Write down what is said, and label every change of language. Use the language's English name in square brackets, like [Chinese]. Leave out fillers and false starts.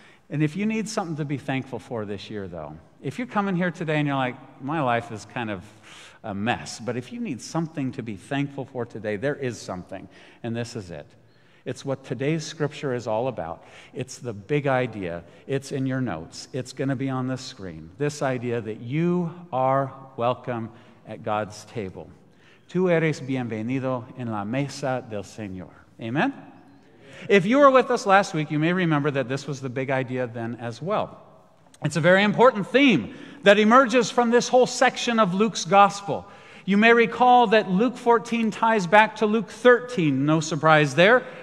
[English] And if you need something to be thankful for this year, though, if you're coming here today and you're like, my life is kind of a mess, but if you need something to be thankful for today, there is something, and this is it. It's what today's scripture is all about. It's the big idea. It's in your notes. It's going to be on the screen. This idea that you are welcome at God's table. [Spanish] Tú eres bienvenido en la mesa del Señor. [English] Amen? If you were with us last week, you may remember that this was the big idea then as well. It's a very important theme that emerges from this whole section of Luke's gospel. You may recall that Luke 14 ties back to Luke 13. No surprise there.